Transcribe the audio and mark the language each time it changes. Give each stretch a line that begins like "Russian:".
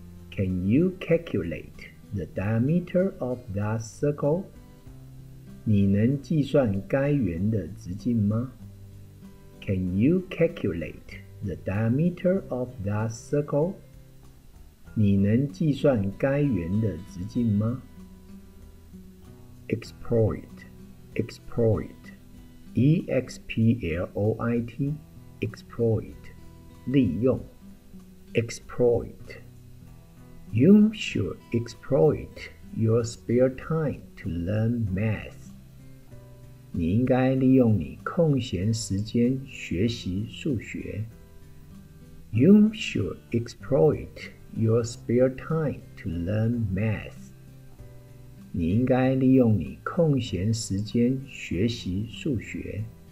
English: Can you calculate the diameter of that circle?
Chinese: 你能计算该圆的直径吗?
English: Can you calculate the diameter of that circle?
Chinese: 你能计算该圆的直径吗?
English: Exploit, exploit, E-X-P-L-O-I-T, exploit, 利用 exploit. You should exploit your spare time to learn math.
Chinese: 你应该利用你空闲时间学习数学。
English: You should exploit. Your spare time to learn math.
Chinese: 你应该利用你空闲时间学习数学。